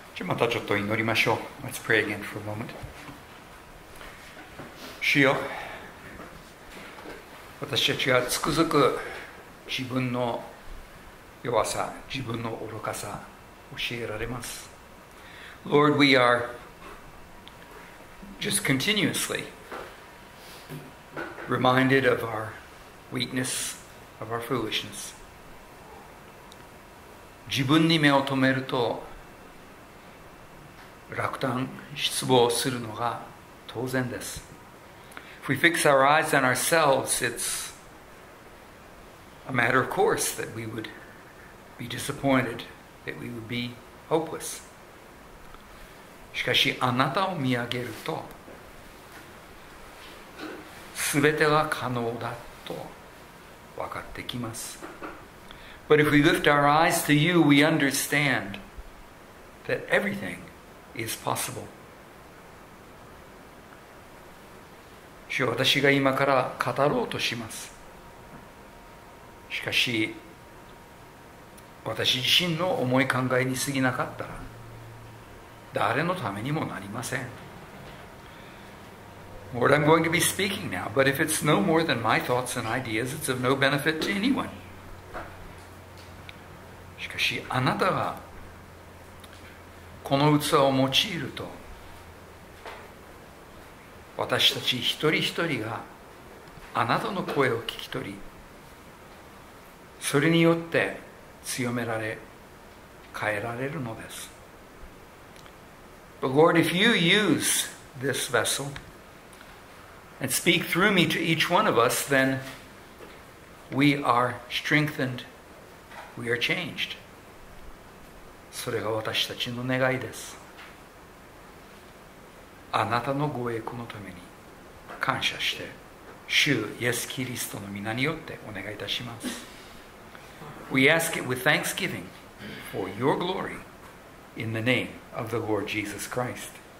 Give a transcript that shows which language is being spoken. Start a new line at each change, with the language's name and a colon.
Japanese: じゃあまたちょっと祈りましょう。
English: Let's pray again for a moment.
Japanese: 主よ、私たちがつくづく自分の弱さ、自分の愚かさ教えられます。
English: Lord, we are just continuously reminded of our weakness, of our foolishness.
Japanese: 自分に目を留めると落胆、失望するのが当然です。
English: If we fix our eyes on ourselves, it's a matter of course that we would be disappointed, that we would be hopeless.
Japanese: しかし、あなたを見上げると、すべてが可能だと分かってきます。
English: But if we lift our eyes to you, we understand that everything is possible.
Japanese: 主よ、私が今から語ろうとします。しかし、私自身の思い考えに過ぎなかったら、誰のためにもなりません。
English: Lord, I'm going to be speaking now, but if it's no more than my thoughts and ideas, it's of no benefit to anyone.
Japanese: しかし、あなたがこの器を用いると、私たち一人一人があなたの声を聞き取り、それによって強められ、変えられるのです。
English: But Lord, if you use this vessel and speak through me to each one of us, then we are strengthened, we are changed.
Japanese: それが私たちの願いです。あなたのご栄光のために感謝して、主イエス・キリストの御名によってお願いいたします。
English: We ask it with thanksgiving for your glory in the name of the Lord Jesus Christ.